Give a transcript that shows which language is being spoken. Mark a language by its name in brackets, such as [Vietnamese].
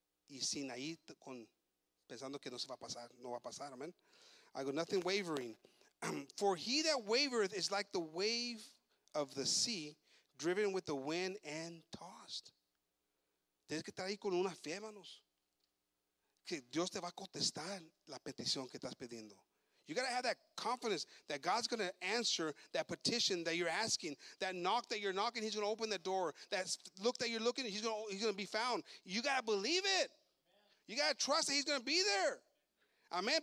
[Spanish] y sin ahí con pensando que no se va a pasar, no va a pasar, amen. [English] I got nothing wavering. For he that wavereth is like the wave of the sea, driven with the wind and tossed. [Spanish] Tienes que estar ahí con una fe, manos. Que Dios te va a contestar la petición que estás pidiendo. [English] You got to have that confidence that God's going to answer that petition that you're asking. That knock that you're knocking, he's going to open the door. That look that you're looking, he's going to be found. You got to believe it. You got to trust that he's going to be there. Amen.